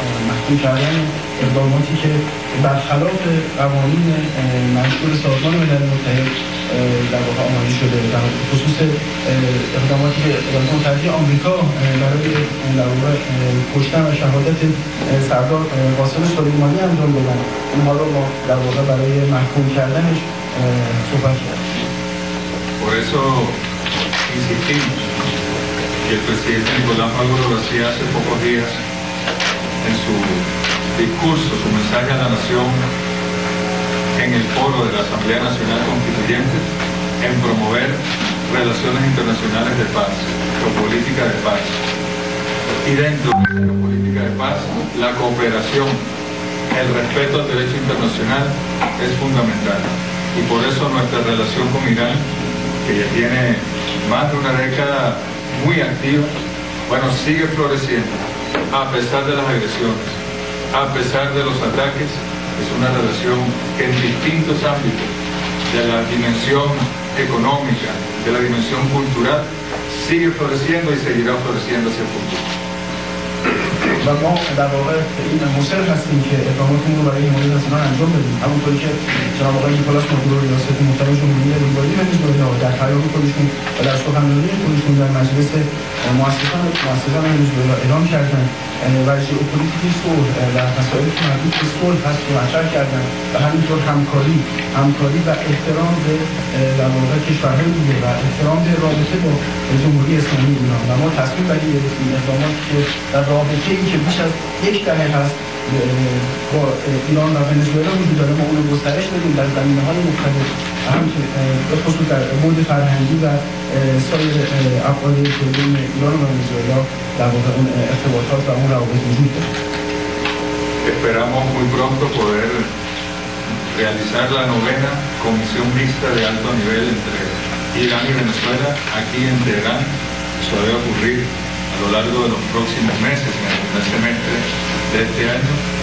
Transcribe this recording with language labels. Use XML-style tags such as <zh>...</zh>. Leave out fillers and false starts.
<fa>محکوم کردن اقداماتی که برخلاف قوانین منشور سازمان ملل متحد در واقع آماده شده در خصوص اقداماتی که اقدامات متحده آمریکا برای در واقع کشتن و شهادت سردار قاسم سلیمانی انجام دادن اونها رو ما در واقع برای محکوم کردنش صحبت کرد</fa> <es>Por eso insistimos que el presidente Nicolás Maduro García hace pocos días en su discurso, su mensaje a la nación en el foro de la Asamblea Nacional Constituyente en promover relaciones internacionales de paz, geopolítica de paz. Y dentro de la geopolítica de paz, la cooperación, el respeto al derecho internacional es fundamental. Y por eso nuestra relación con Irán, que ya tiene más de una década muy activa, bueno, sigue floreciendo, a pesar de las agresiones, a pesar de los ataques, es una relación que en distintos ámbitos, de la dimensión económica, de la dimensión cultural, sigue floreciendo y seguirá floreciendo hacia el futuro.</es> <fa>و ما در واقع این مصر هستیم که اقداماتمون رو برای حمایت از ایران انجام بدیم همونطوری که جناب آقای نیکولاس مادورو ریاست محترم جمهوری بولیویا ونزوئلا در پیام خودشون و در سخنرانی خودشون در مجلس مؤسسان ونزوئلا اعلام کردن و ژئوپلیتیک صلح و مسائل مربوط به صلح هست رو مطرح کردن و همینطور همکاری و احترام به در واقع کشورهای دیگه و احترام به رابطه با جمهوری اسلامی ایران و ما تصمیم بدیم گرفتیم اقدامات که در رابطه ای که بیش از یک دهه هست با ایران و ونزوئلا وجود داره ما اونو گسترش بدیم در زمینه های مختلف همچنین بخصوص در بعد فرهنگی و سایر افراد بین ایران و ونزوئلا در واقع اون ارتباطات و اون روابط وجود داره</fa> <es>Esperamos muy pronto poder realizar la novena comisión mixta de alto nivel entre Irán y Venezuela aquí en Teherán. Eso debe ocurrir a lo largo de los próximos meses, en el primer semestre de este año.</es>